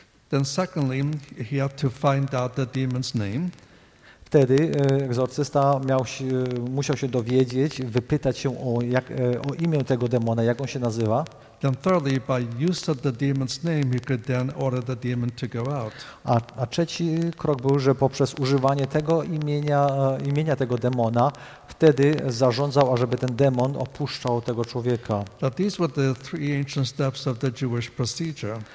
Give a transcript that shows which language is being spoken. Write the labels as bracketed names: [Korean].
[English] Then secondly, he had to find out the demon's name. [Polish] Wtedy egzorcysta musiał się dowiedzieć, wypytać się o imię tego demona, jak on się nazywa. [English] Then thirdly, by use of the demon's name, he could then order the demon to go out. [Polish] A trzeci krok był, że poprzez używanie tego imienia tego demona, wtedy zarządzał, ażeby ten demon opuszczał tego człowieka. [English] But these were the three ancient steps of the Jewish procedure.